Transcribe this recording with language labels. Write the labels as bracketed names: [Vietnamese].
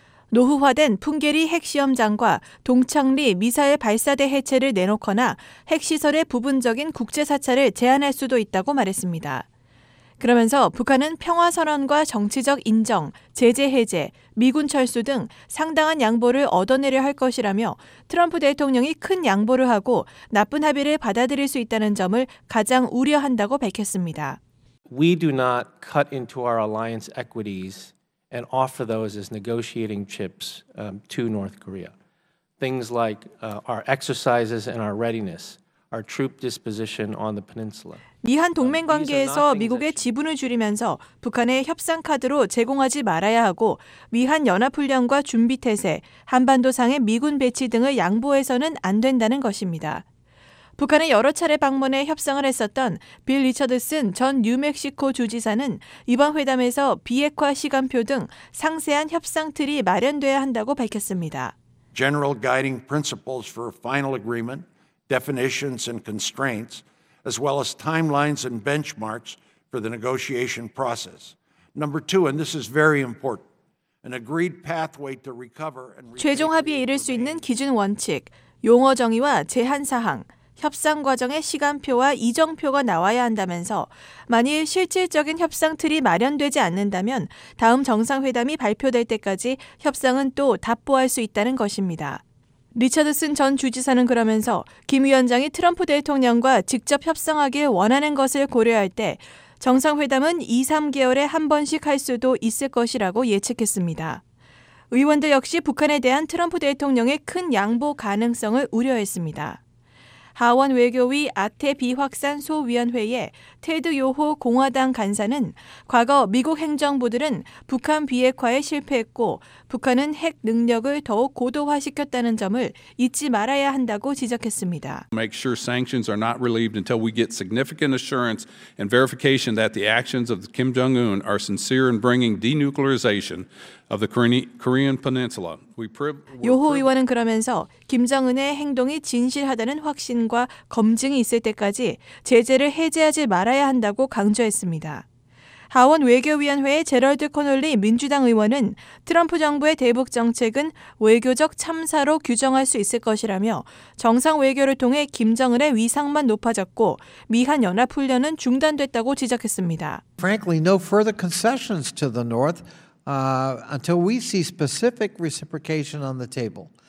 [Korean] 노후화된 풍계리 핵시험장과 동창리 미사일 발사대 해체를 내놓거나 핵시설의 부분적인 국제사찰을 제한할 수도 있다고 말했습니다. 그러면서 북한은 평화선언과 정치적 인정, 제재 해제, 미군 철수 등 상당한 양보를 얻어내려 할 것이라며 트럼프 대통령이 큰 양보를 하고 나쁜 합의를 받아들일 수 있다는 점을 가장 우려한다고 밝혔습니다. [English] We do not cut into our alliance equities and offer those as negotiating chips to North Korea. Things like our exercises and our readiness, our troop disposition on the peninsula. [Korean] 미한 동맹 관계에서 미국의 지분을 줄이면서 북한의 협상 카드로 제공하지 말아야 하고 미한 연합 훈련과 준비 태세, 한반도상의 미군 배치 등을 양보해서는 안 된다는 것입니다. 북한의 여러 차례 방문에 협상을 했었던 빌 리처드슨 전 뉴멕시코 주지사는 이번 회담에서 비핵화 시간표 등 상세한 협상 틀이 마련돼야 한다고 밝혔습니다. [English] General guiding principles for final agreement, definitions and constraints. As well as timelines and benchmarks for the negotiation process. Number two, and this is very important, an agreed pathway to recover and [Korean] 최종 합의에 이를 수 있는 기준 원칙, 용어 정의와 제한 사항, 협상 과정의 시간표와 이정표가 나와야 한다면서 만일 실질적인 협상 틀이 마련되지 않는다면 다음 정상회담이 발표될 때까지 협상은 또 답보할 수 있다는 것입니다. 리처드슨 전 주지사는 그러면서 김 위원장이 트럼프 대통령과 직접 협상하길 원하는 것을 고려할 때 정상회담은 2, 3개월에 한 번씩 할 수도 있을 것이라고 예측했습니다. 의원들 역시 북한에 대한 트럼프 대통령의 큰 양보 가능성을 우려했습니다. 하원 외교위 아태 비확산 소위원회의 테드 요호 공화당 간사는 과거 미국 행정부들은 북한 비핵화에 실패했고 북한은 핵 능력을 더욱 고도화시켰다는 점을 잊지 말아야 한다고 지적했습니다. [English] Make sure sanctions are not relieved until we get significant assurance and verification that the actions of Kim Jong-un are sincere in bringing denuclearization of the Korean Peninsula. [Korean] 요호 의원은 그러면서 김정은의 행동이 진실하다는 확신과 검증이 있을 때까지 제재를 해제하지 말아야 한다고 강조했습니다. 하원 외교위원회의 제럴드 코널리 민주당 의원은 트럼프 정부의 대북 정책은 외교적 참사로 규정할 수 있을 것이라며 정상 외교를 통해 김정은의 위상만 높아졌고 미한 연합 훈련은 중단됐다고 지적했습니다. [English] Frankly, no further concessions to the North. Until we see specific reciprocation on the table.